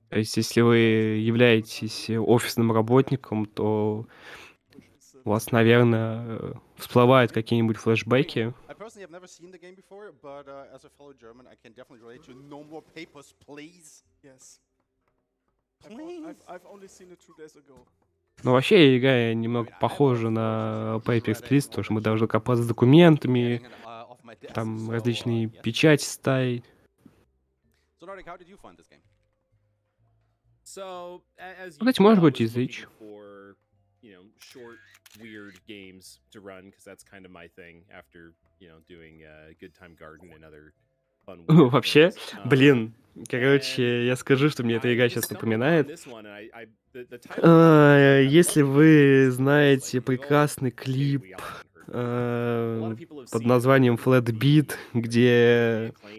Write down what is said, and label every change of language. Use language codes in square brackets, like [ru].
[ru] То есть, если вы являетесь офисным работником, то у вас, наверное, всплывают какие-нибудь флешбеки. [en] I personally have never seen the game before, but as a fellow German, I can definitely relate to no more papers, please. Yes. Please. I've only seen it 2 days ago. [ru] Ну, вообще, игра немного похожа на Papers, Please, потому что мы должны копаться с документами, там различные печати ставить. [en] So, Nordic, how did you find this game? So, as you know, I was looking for, you know, short, weird games to run, because that's kind of my thing after, you know, doing Good Time Garden and other fun weird games. [ru] Вообще, блин, короче, я скажу, что мне эта игра сейчас напоминает. Если вы знаете прекрасный клип под названием Flat Beat, где...